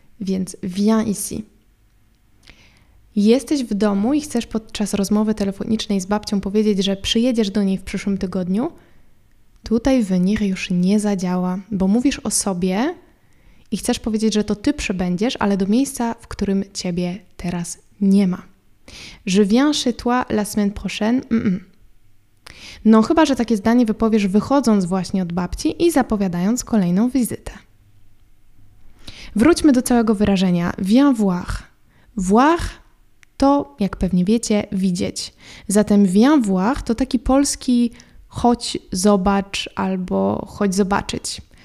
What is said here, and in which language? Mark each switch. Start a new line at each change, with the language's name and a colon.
Polish: Więc
French: viens ici.
Polish: Jesteś w domu i chcesz podczas rozmowy telefonicznej z babcią powiedzieć, że przyjedziesz do niej w przyszłym tygodniu? Tutaj venir już nie zadziała, bo mówisz o sobie i chcesz powiedzieć, że to ty przybędziesz, ale do miejsca, w którym ciebie teraz nie ma.
French: Je viens chez toi la semaine prochaine.
Polish: No chyba, że takie zdanie wypowiesz wychodząc właśnie od babci i zapowiadając kolejną wizytę. Wróćmy do całego wyrażenia.
French: Viens voir.
Polish: Voir to, jak pewnie wiecie, widzieć. Zatem
French: viens voir
Polish: to taki polski chodź zobacz albo chodź zobaczyć.